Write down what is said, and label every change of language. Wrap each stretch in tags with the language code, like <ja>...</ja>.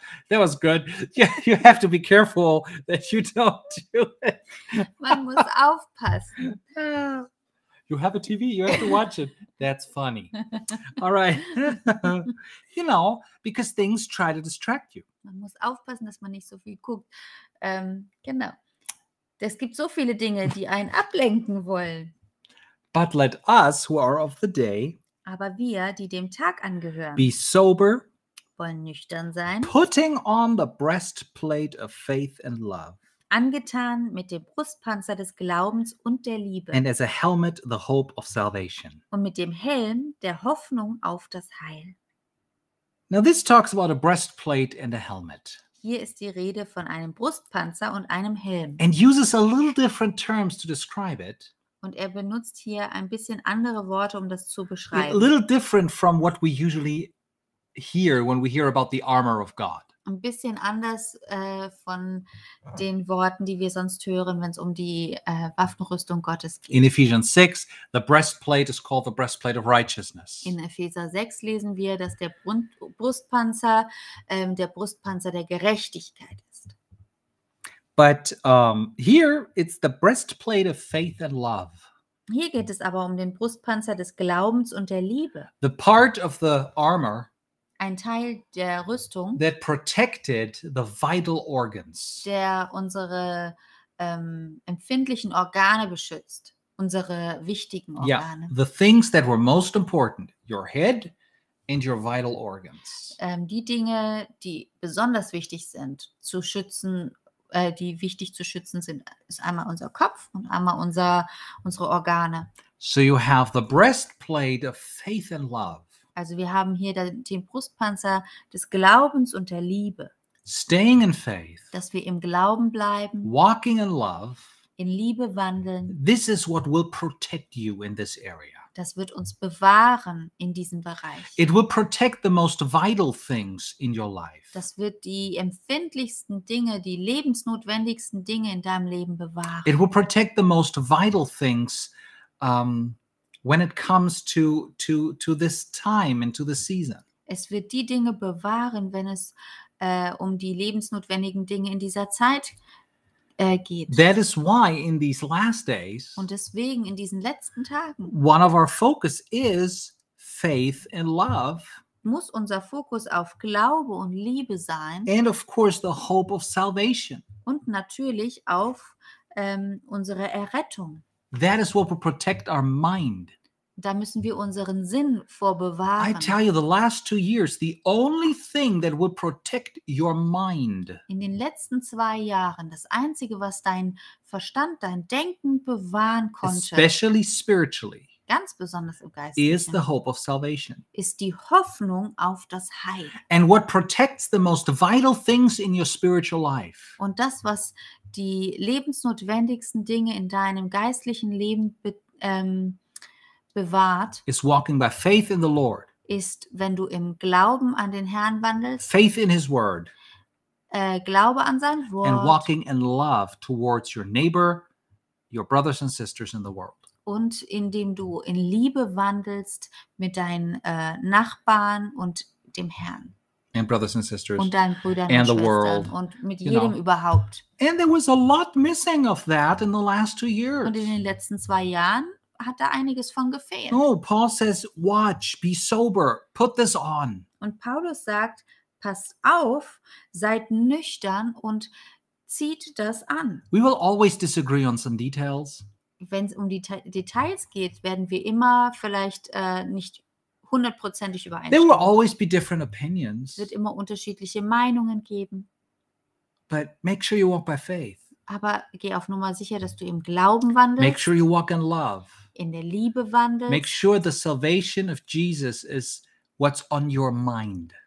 <en>That was good. Yeah, you have to be careful that you don't do it.</en> <de>Man muss aufpassen.</de> <en>You have a TV, you have to watch it. That's funny. All right. You know, because things try to distract you.</en> <de>Man muss aufpassen, dass man nicht so viel guckt. Genau. Es gibt so viele Dinge, die einen ablenken wollen.</de> <en>But let us, who are of the day,</en> <de>aber wir, die dem Tag angehören,</de> <en>be sober,</en> <de>wollen nüchtern sein,</de> <en>putting on the breastplate of faith and love,</en> <de>angetan mit dem Brustpanzer des Glaubens und der Liebe,</de> <en>and as a helmet, the hope of salvation,</en> <de>und mit dem Helm der Hoffnung auf das Heil.</de> <en>Now this talks about a breastplate and a helmet.</en> <de>Hier ist die Rede von einem Brustpanzer und einem Helm.</de> <en>And uses a little different terms to describe it.</en> <de>Und er benutzt hier ein bisschen andere Worte, um das zu beschreiben.</de> <en>A little different from what we usually hear when we hear about the armor of God.</en> <de>Ein bisschen anders von den Worten, die wir sonst hören, wenn es um die Waffenrüstung Gottes geht.</de> <en>In Ephesians 6, the breastplate is called the breastplate of righteousness.</en> <de>In Epheser 6 lesen wir, dass der Brustpanzer der Brustpanzer der Gerechtigkeit ist.</de> <en>But here it's the breastplate of faith and love.</en> <de>Hier geht es aber um den Brustpanzer des Glaubens und der Liebe.</de> <en>The part of the armor,</en> <de>ein Teil der Rüstung,</de> <en>that protected the vital organs,</en> <de>der unsere empfindlichen Organe beschützt, unsere wichtigen Organe.</de> <en>Yeah, the things that were most important, your head and your vital organs.</en> <de>Die Dinge, die besonders wichtig sind zu schützen, die wichtig zu schützen sind, ist einmal unser Kopf und einmal unsere Organe.</de> <en>So you have the breastplate of faith and love.</en> <de>Also wir haben hier den Brustpanzer des Glaubens und der Liebe.</de> <en>Staying in faith.</en> <de>Dass wir im Glauben bleiben.</de> <en>Walking in love.</en> <de>In Liebe wandeln.</de> <en>This is what will protect you in this area.</en> <de>das wird uns bewahren in diesem Bereich.</de> <en>It will protect the most vital things in your life.</en> <de>Das wird die empfindlichsten Dinge, die lebensnotwendigsten Dinge in deinem Leben bewahren.</de> <en>It will protect the most vital things when it comes to this time and to the season.</en> <de>Es wird die Dinge bewahren, wenn es um die lebensnotwendigen Dinge in dieser Zeit geht.</de> <en>That is why in these last days,</en> <de>und deswegen in diesen letzten Tagen,</de> <en>one of our focus is faith and love,</en> <de>muss unser Fokus auf Glaube und Liebe sein,</de> <en>and of course the hope of salvation,</en> <de>und natürlich auf unsere Errettung.</de> <en>That is what will protect our mind.</en> <de>Da müssen wir unseren Sinn vorbewahren.</de> <en>I tell you, the last 2 years, the only thing that would protect your mind.</en> <de>In den letzten 2 Jahren, das Einzige, was dein Verstand, dein Denken bewahren konnte,</de> <en>especially spiritually,</en> <de>ganz besonders im Geistlichen,</de> <en>is the hope of salvation.</en> <de>Ist die Hoffnung auf das Heil.</de> <en>And what protects the most vital things in your spiritual life.</en> <de>Und das, was die lebensnotwendigsten Dinge in deinem geistlichen Leben bewahrt,</de> <en>is walking by faith in the Lord.</en> <de>Ist, wenn du im Glauben an den Herrn wandelst,</de> <en>faith in his word.</en> <de>Glaube an sein Wort.</de> <en>And walking in love towards your neighbor, your brothers and sisters in the world.</en> <de>Und indem du in Liebe wandelst mit deinen Nachbarn und dem Herrn.</de> <en>And brothers and sisters.</en> <de>Und deinen Brüdern und Schwestern. Und mit jedem überhaupt.</de> <en>And there was a lot missing of that in the last 2 years.</en> <de>Und in den letzten 2 Jahren hat da einiges von gefehlt.</de> <en>No, Paul says, watch, be sober, put this on.</en> <de>Und Paulus sagt, passt auf, seid nüchtern und zieht das an.</de> <en>We will always disagree on some details.</en> <de>Wenn es um die Details geht, werden wir immer vielleicht nicht hundertprozentig übereinstimmen.</de> <en>There will always be different opinions.</en> <de>Wird immer unterschiedliche Meinungen geben.</de> <en>But make sure you walk by faith.</en> <de>Aber geh auf Nummer sicher, dass du im Glauben wandelst.</de> <en>Make sure you walk in love.</en> <de>In der Liebe wandelst.</de> <en>Make sure the salvation of Jesus is what's on your mind.</en>